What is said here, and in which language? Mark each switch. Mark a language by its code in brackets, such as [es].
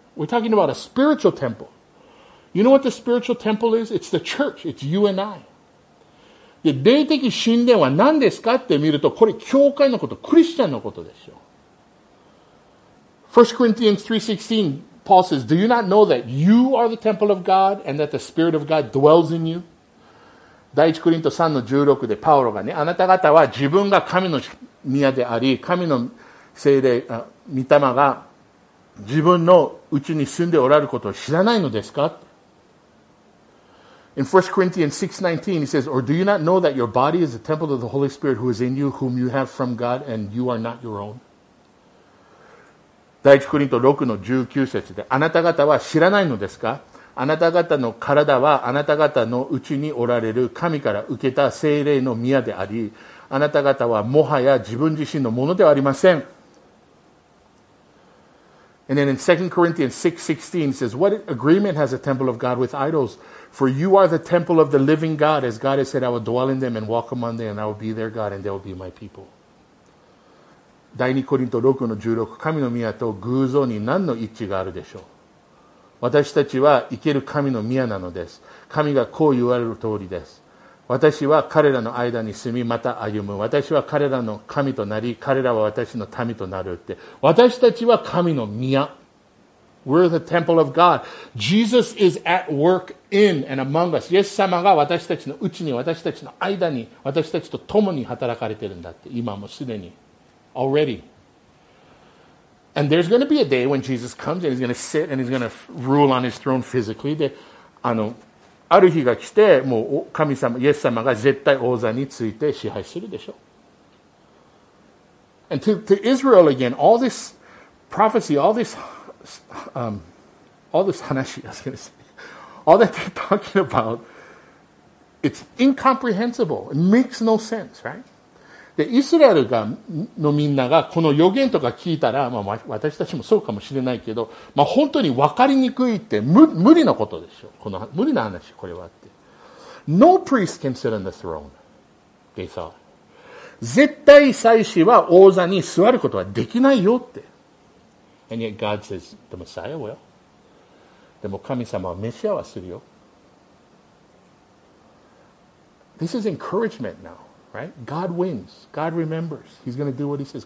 [en] We're talking about a spiritual temple. You know what the spiritual temple is? It's the church. It's you and I. [ja] で、霊的神殿は何ですかって見ると、これ教会のこと、クリスチャンのことですよ。 [en] 1 Corinthians 3:16, Paul says, Do you not know that you are the temple of God and that the Spirit of God dwells in you? [ja] 第1コリント 3-16 でパウロがね、あなた方は自分が神の宮であり、神の聖霊、御霊が自分のうちに住んでおられることを知らないのですか [en] ?In 1 Corinthians 6:19 he says, Or do you not know that your body is the temple of the Holy Spirit who is in you, whom you have from God, and you are not your own? [ja] 第1コリント 6-19 節で、あなた方は知らないのですか、あなた方の体はあなた方のうちにおられる神から受けた聖霊の宮であり、あなた方はもはや自分自身のものではありません。 [en] And then in 2 Corinthians 6:16 it says, What agreement has the temple of God with idols? For you are the temple of the living God, as God has said, I will dwell in them and walk among them, and I will be their God, and they will be my people. [ja] 第2コリント 6-16 神の宮と偶像に何の一致があるでしょう、私たちは生ける神の宮なのです。神がこう言われる通りです。私は彼らの間に住み、また歩む。私は彼らの神となり、彼らは私の民となるって。私たちは神の宮。 [en] We're the temple of God. Jesus is at work in and among us. [ja] イエス様が私たちのうちに、私たちの間に、私たちと共に働かれてるんだって。今もすでに。 [en] Already. And there's going to be a day when Jesus comes and he's going to sit and he's going to rule on his throne physically. [ja] で、ある日が来て、もう神様、イエス様が絶対王座について支配するでしょう。 [en] And to Israel again, all this prophecy, all that they're talking about, it's incomprehensible. It makes no sense, right? [ja] でイスラエルがのみんながこの予言とか聞いたら、まあ、私たちもそうかもしれないけど、まあ、本当に分かりにくいって無理なことでしょ、この無理な話これはって。 [en] No priest can sit on the throne, they thought. [ja] 絶対祭司は王座に座ることはできないよって。 [en] And yet God says, the Messiah will. [ja] でも神様はメシアはするよ。 [en] This is encouragement now. Right? God wins. God remembers. He's going to do what he says.